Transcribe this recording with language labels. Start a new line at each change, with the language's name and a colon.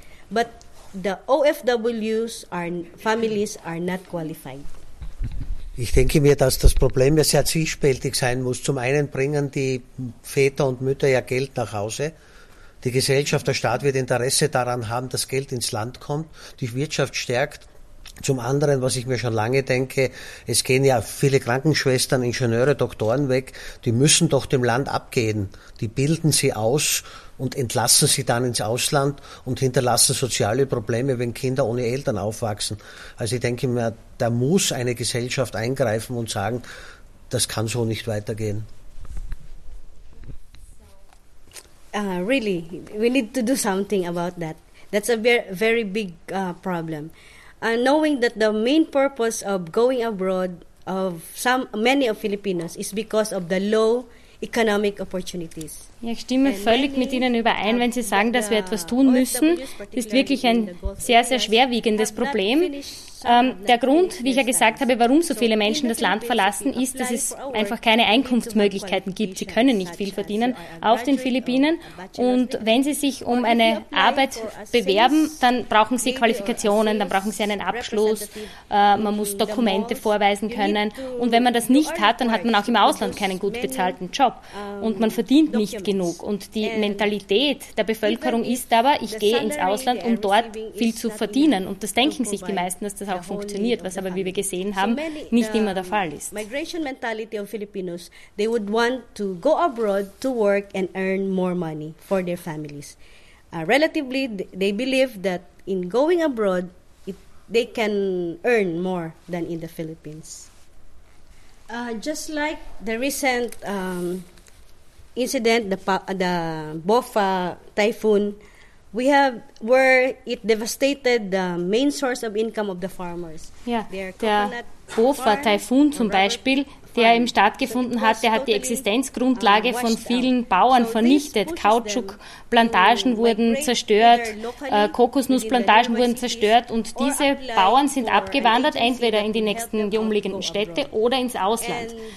English: But the OFWs are families are not qualified.
German: Ich denke mir, dass das Problem ja sehr zwiespältig sein muss. Zum einen bringen die Väter und Mütter ja Geld nach Hause. Die Gesellschaft, der Staat wird Interesse daran haben, dass Geld ins Land kommt, die Wirtschaft stärkt. Zum anderen, was ich mir schon lange denke, es gehen ja viele Krankenschwestern, Ingenieure, Doktoren weg. Die müssen doch dem Land abgehen. Die bilden sie aus und entlassen sie dann ins Ausland und hinterlassen soziale Probleme, wenn Kinder ohne Eltern aufwachsen. Also ich denke mir, da muss eine Gesellschaft eingreifen und sagen, das kann so nicht weitergehen.
English: Really, we need to do something about that. That's a very big problem. Knowing that the main purpose of going abroad of many of Filipinos is because of the low economic opportunities.
German: Ja, ich stimme völlig mit Ihnen überein, wenn Sie sagen, dass wir etwas tun müssen. Das ist wirklich ein sehr, sehr schwerwiegendes Problem. Der Grund, wie ich ja gesagt habe, warum so viele Menschen das Land verlassen, ist, dass es einfach keine Einkunftsmöglichkeiten gibt. Sie können nicht viel verdienen auf den Philippinen. Und wenn Sie sich um eine Arbeit bewerben, dann brauchen Sie Qualifikationen, dann brauchen Sie einen Abschluss, man muss Dokumente vorweisen können. Und wenn man das nicht hat, dann hat man auch im Ausland keinen gut bezahlten Job. Und man verdient nicht genug. Und die Mentalität der Bevölkerung ist aber, ich gehe ins Ausland, um dort viel zu verdienen. Und das denken sich die meisten, dass das auch funktioniert, was aber, wie wir gesehen haben, nicht immer der Fall ist.
English: Migration mentality of Filipinos, they would want to go abroad to work and earn more money for their families. Relatively, they believe that in going abroad, they can earn more than in the Philippines. Just like the recent incident, the Bofa typhoon, where it devastated the main source of income of the farmers.
German: Ja, der Bofa typhoon zum Beispiel, der eben stattgefunden hat, der hat die Existenzgrundlage von vielen Bauern vernichtet. Kautschukplantagen wurden zerstört, Kokosnussplantagen wurden zerstört, und diese Bauern sind abgewandert, entweder in die umliegenden Städte oder ins Ausland.